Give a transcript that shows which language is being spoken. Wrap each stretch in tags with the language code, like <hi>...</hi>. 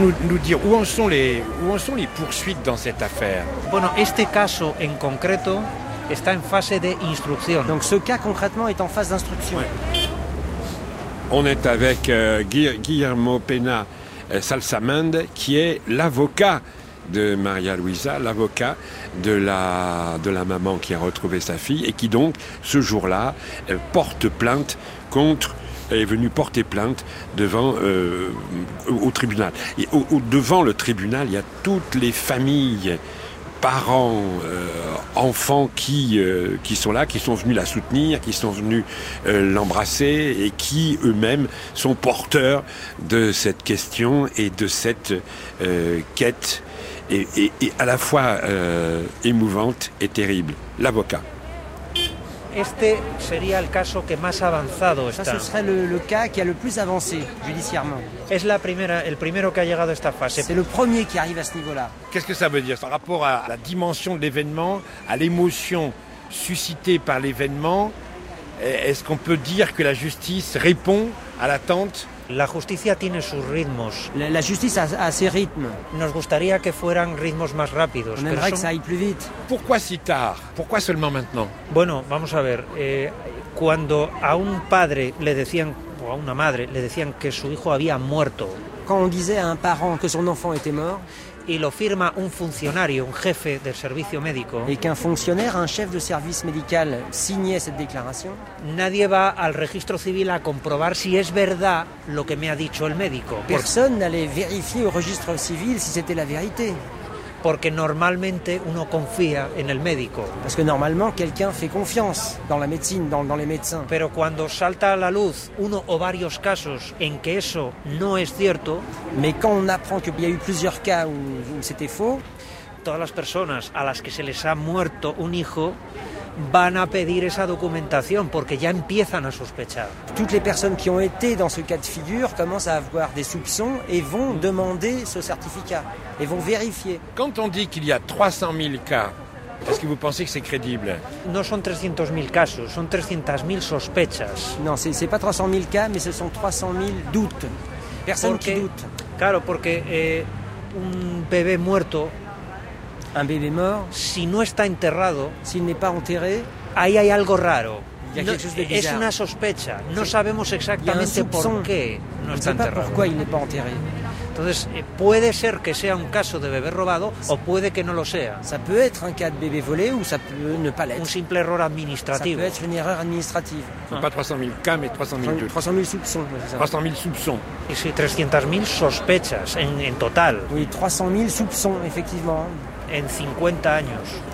<fr>Nous dire où en sont les poursuites dans cette affaire.</fr> <es>Bueno, este caso en concreto está en fase de instrucción.</es> <fr>Donc ce cas concrètement est en phase d'instruction. Ouais. On est avec Guillermo Pena Salsamende, qui est l'avocat de Maria Luisa, l'avocat de la maman qui a retrouvé sa fille et qui donc, ce jour-là, porte plainte contre... est venu porter plainte devant au tribunal. Et devant le tribunal, il y a toutes les familles, parents, enfants qui sont là, qui sont venus la soutenir, qui sont venus l'embrasser et qui eux-mêmes sont porteurs de cette question et de cette quête et à la fois émouvante et terrible. L'avocat.</fr> <es>Este sería el caso que más avanzado está.</es> <fr>Ça, ce serait le cas qui a le plus avancé judiciairement.</fr> <es>Es la primera, el primero que ha llegado a esta fase.</es> <fr>C'est le premier qui arrive à ce niveau-là. Qu'est-ce que ça veut dire? Par rapport à la dimension de l'événement, à l'émotion suscitée par l'événement, est-ce qu'on peut dire que la justice répond à l'attente?</fr> <es>La justicia tiene sus ritmos.</es> <fr>La justice a ses rythmes.</fr> <es>Nos gustaría que fueran ritmos más rápidos.</es> <fr>On aimerait que ça aille plus vite. Pourquoi si tard? Pourquoi seulement maintenant?</fr> <es>Bueno, vamos a ver. Cuando a un padre le decían, o a una madre, le decían que su hijo había muerto.</es> <fr>Quand on disait à un parent que son enfant était mort.</fr> <es>Y lo firma un funcionario, un jefe del servicio médico.</es> <fr>Et qu'un fonctionnaire, un chef de service médical, signait cette déclaration.</fr> <es>Nadie va al registro civil a comprobar si es verdad lo que me ha dicho el médico.</es> <fr>Personne n'allait vérifier au registre civil si c'était la vérité.</fr> <es>Porque normalmente uno confía en el médico.</es> <fr>Parce que normalement quelqu'un fait confiance dans la médecine, dans les médecins.</fr> <es>Pero cuando salta a la luz uno o varios casos en que eso no es cierto,</es> <fr>mais quand on apprend qu'il y a eu plusieurs cas où c'était faux,</fr> <es>todas las personas a las que se les ha muerto un hijo van a pedir esa documentación porque ya empiezan a sospechar.</es> <fr>Toutes les personnes qui ont été dans ce cas de figure commencent à avoir des soupçons et vont demander ce certificat et vont vérifier. Quand on dit qu'il y a 300 000 cas, est-ce que vous pensez que c'est crédible?</fr> <es>No son 300 000 casos, son 300 000 sospechas.</es> <fr>Non, c'est pas 300 000 cas, mais ce sont 300 000 doutes. Personnes qui doutent.</fr> <es>Claro, porque un bébé muerto.</es> <fr>Un bébé mort,</fr> <es>si no está enterrado,</es> <fr>s'il n'est pas enterré,</fr> <es>ahí hay algo raro.</es> <fr>Il y a</fr> <es>es una sospecha. No sabemos exactamente por qué no está enterrado.</es> <fr>Pourquoi il n'est pas enterré.</fr> <es>Entonces, puede ser que sea un caso de bebé robado o puede que no lo sea.</es> <fr>Ça peut être un cas de bébé volé ou ça peut ne pas l'être.</fr> <es>Un simple error administrativo.</es> <fr>Ça peut être une erreur administrative. Hein? Pas 300 000 cas, mais 300 000 soupçons. Et c'est 300 000</fr> <es>sospechas en total.</es> <fr>Oui, 300 000 soupçons, effectivement.</fr> <es>En 50 años.</es>